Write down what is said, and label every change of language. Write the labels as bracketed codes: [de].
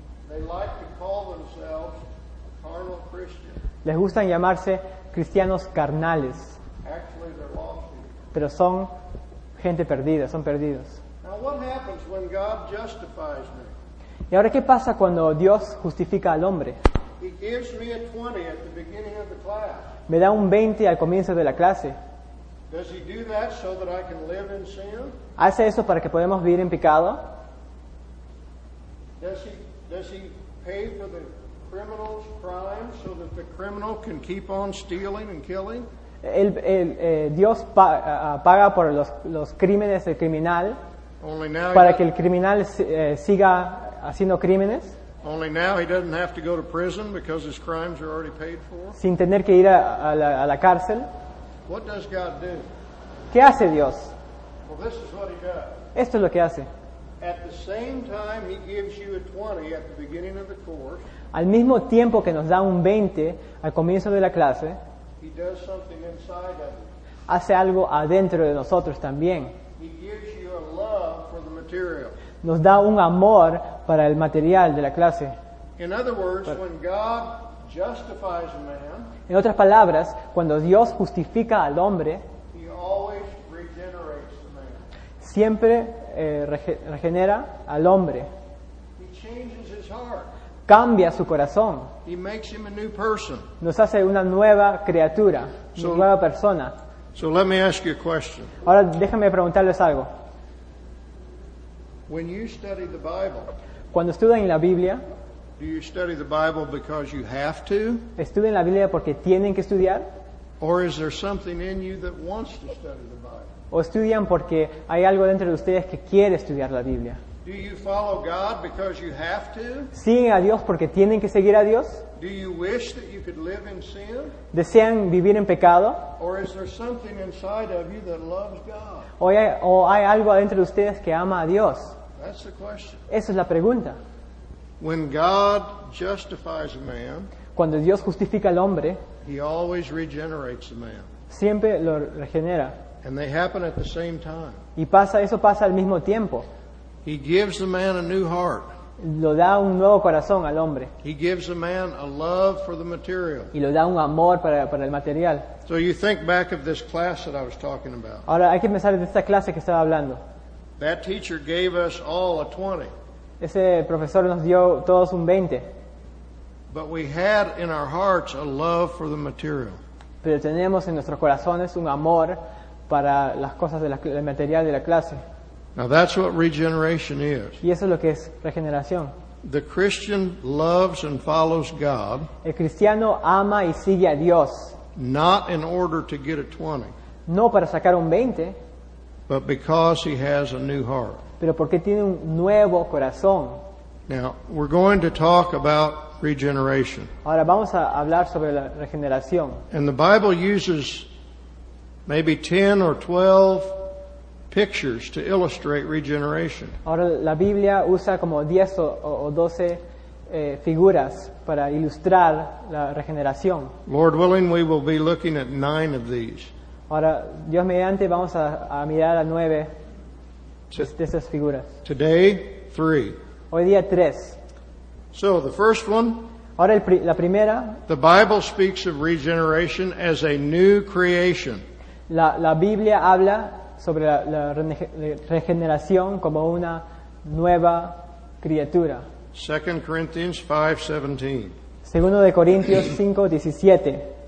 [en] They like to call themselves carnal Christians. [es] Les gustan llamarse cristianos carnales. [en] Actually, they're lost people. [es] Pero son gente perdida, son perdidos. [en] Now, what happens when God justifies me? [es] ¿Y ahora qué pasa cuando Dios justifica al hombre? [en] He gives me a 20 at the beginning of the class. [es] Me da un 20 al comienzo de la clase. [en] Does he do that so that I can live in sin? [es] ¿Hace eso para que podamos vivir en pecado? [en] Does he pay for the criminal's crime so that the criminal can keep on stealing and killing? [es] Dios paga por los crímenes del criminal para que el criminal siga haciendo crímenes. [en] Only now he doesn't have to go to prison because his crimes are already paid for. [es] Sin tener que ir a la cárcel. [en] What does God do? [es] ¿Qué hace Dios? [en] Well, this is what he does. [es] Esto es lo que hace. [en] At the same time he gives you a 20 at the beginning of the course. [es] Al mismo tiempo que nos da un 20 al comienzo de la clase. [en] He does something inside of you. [es] Hace algo adentro de nosotros también. [en] He gives you a love for the material. [es] Nos da un amor para el material de la clase. [en] In other words, when God justifies a man, [es] en otras palabras, cuando Dios justifica al hombre, [en] he always regenerates the man. [es] Siempre regenera al hombre. [en] He changes his heart. [es] Cambia su corazón. [en] He makes him a new person. [es] Nos hace una nueva criatura, una nueva persona. [en] So let me ask you a question. [es] Ahora déjame preguntarles algo. [en] When you study the Bible, [es] cuando estudian la Biblia, [en] do you study the Bible because you have to? [es] ¿Estudian la Biblia porque tienen que estudiar? [en] Or is there something in you that wants to study the Bible? [es] ¿O estudian porque hay algo dentro de ustedes que quiere estudiar la Biblia? [en] Do you follow God because you have to? [es] ¿Siguen a Dios porque tienen que seguir a Dios? [en] Do you wish that you could live in sin? [es] ¿Desean vivir en pecado? [en] Or is there something inside of you that loves God? [es] ¿O hay algo dentro de ustedes que ama a Dios? [en] That's the question. [es] Esa es la pregunta. [en] When God justifies a man, [es] cuando Dios justifica al hombre, [en] he always regenerates the man. [es] Siempre lo regenera. [en] And they happen at the same time. [es] Y pasa, eso pasa al mismo tiempo. [en] He gives the man a new heart. [es] Lo da un nuevo corazón al hombre. [en] He gives a man a love for the material. [es] Y lo da un amor para el material. [en] So you think back of this class that I was talking about. [es] Ahora hay que pensar de esta clase que estaba hablando. [en] That teacher gave us all a 20. [es] Ese profesor nos dio todos un 20. [en] But we had in our hearts a love for the material. [es] pero tenemos en nuestros corazones un amor para las cosas de la, el material de la clase. [en] Now that's what regeneration is. [es] Y eso es lo que es regeneración. [en] The Christian loves and follows God. [es] El cristiano ama y sigue a Dios. [en] Not in order to get a 20. [es] No para sacar un 20. [en] But because he has a new heart. [es] Pero porque tiene un nuevo corazón. [en] Now, we're going to talk about regeneration. [es] Ahora vamos a hablar sobre la regeneración. [en] And the Bible uses maybe 10 or 12 pictures to illustrate regeneration. [es] Ahora la Biblia usa como 10 o 12 figuras para ilustrar la regeneración. [en] Lord willing, we will be looking at 9 of these. [es] Ahora, Dios mediante, vamos a mirar a 9 de esas figuras. [en] Today, 3. [es] Hoy día, 3. [en] So, the first one. [es] Ahora, la primera. [en] The Bible speaks of regeneration as a new creation. [es] La Biblia habla sobre la regeneración como una nueva criatura. [en] 2 Corinthians 5:17. [es] Segundo de Corintios 5:17.